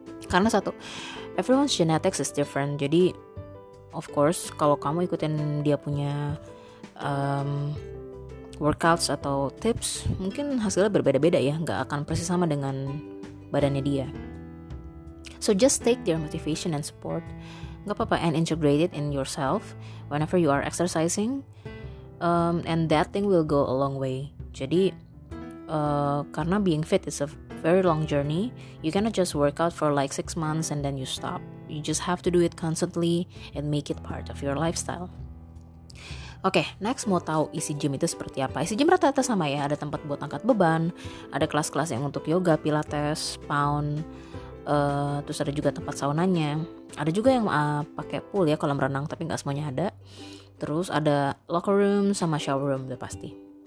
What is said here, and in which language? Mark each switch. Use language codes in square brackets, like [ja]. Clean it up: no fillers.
[id] Karena satu, [en] everyone's genetics is different. [id] Jadi, [en] of course, [id] kalau kamu ikutin dia punya workouts atau tips, mungkin hasilnya berbeda-beda ya, gak akan persis sama dengan badannya dia. [en] So just take their motivation and support, [id] gak apa-apa, [en] and integrate it in yourself whenever you are exercising. And that thing will go a long way. [id] Jadi, karena [en] being fit is a very long journey. You cannot just work out for like 6 months and then you stop. You just have to do it constantly and make it part of your lifestyle. [id] Okay, next mau tahu isi gym itu seperti apa? Isi gym rata-rata sama ya. Ada tempat buat angkat beban, ada kelas-kelas yang untuk yoga, pilates, pound, terus ada juga tempat saunanya. Ada juga yang pakai pool ya, kolam renang, tapi nggak semuanya ada. Terus ada locker room sama shower room udah pasti.